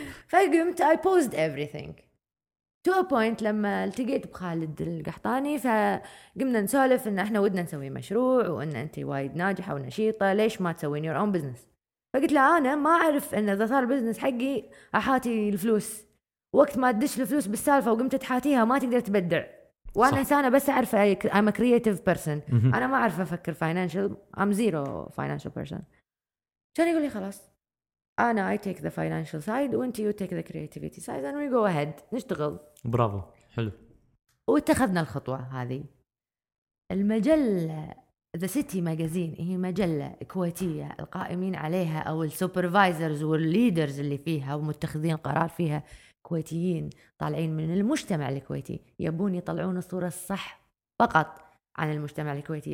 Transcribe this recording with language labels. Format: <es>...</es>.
<ar>فقمت</ar> <en>I paused everything to a point</en> <ar>لما التقيت بخالد القحطاني فقمنا نسولف إن إحنا ودنا نسوي مشروع وإن أنت وايد ناجحة ونشيطة ليش ما تسوين</ar> <en>your own business.</en> <ar>فقلت له أنا ما أعرف إن إذا صار بزنس حقي أحاتي الفلوس وقت ما أدش الفلوس بالسالفة وقمت تحاتيها ما تقدر تبدع وأنا إنسانة بس أعرف</ar> <en>I'm a creative person.</en> <ar>أنا ما أعرف أفكر</ar> <en>financial I'm zero financial person.</en> <ar>كان يقول لي خلاص أنا</ar> <en>I take the financial side</en> <ar>وأنت</ar> <en>you take the creativity side and we go ahead</en> <ar>نشتغل. برافو حلو. واتخذنا الخطوة هذه. المجلة The City Magazine هي مجلة كويتية القائمين عليها أو السوبرفايزرز والليدرز اللي فيها ومتخذين قرار فيها كويتيين طالعين من المجتمع الكويتي يبون يطلعون الصورة الصح فقط عن المجتمع الكويتي.</ar>